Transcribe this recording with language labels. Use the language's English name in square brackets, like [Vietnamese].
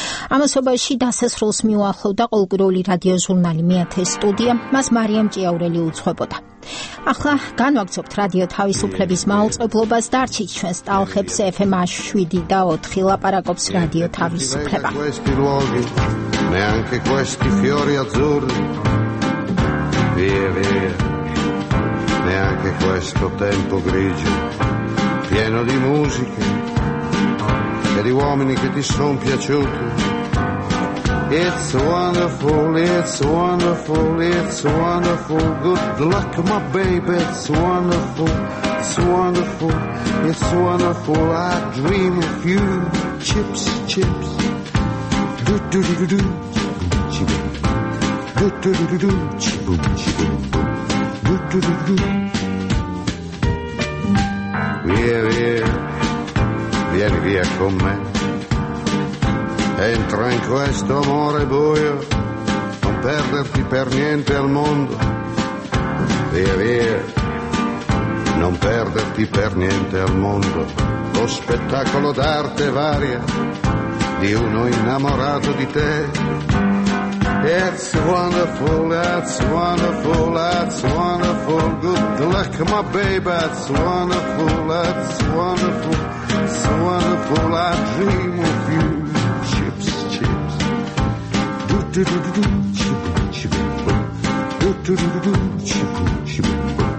[Georgian] ამასობაში დასასრულს მიუახლოვდა ყოველკვირეული რადიო ჟურნალი „მეათე სტუდია“, მას მარიამ ჭიაურელი უძღვებოდა. ახლა განვაგრძობთ რადიო თავისუფლების მაუწყებლობას და არჩით ჩვენს ტალღებს FM 7.4 ლაპარაკობს რადიო თავისუფლება. [Italian] Neanche questi fiori azzurri, via via, neanche questo tempo grigio, pieno di musiche e di uomini che ti son piaciuti. [English] It's wonderful, it's wonderful, it's wonderful, good luck my baby, it's wonderful, it's wonderful, it's wonderful, I dream of you, chips, chips, do-do-do-do-do. Do-do-do-do-do, chi-boom, chi-boom, boom, do-do-do-do-do. [Italian] Via, via, vieni via con me. Entra in questo amore buio, non perderti per niente al mondo. Via, via, non perderti per niente al mondo. Lo spettacolo d'arte varia di uno innamorato di te. [English] It's wonderful, that's wonderful, that's wonderful, good luck my baby, that's wonderful, it's wonderful, I dream of you, chips, chips, do-do-do-do-do, chip-boom, chip-boom, do-do-do-do-do, chip-boom, chip-boom.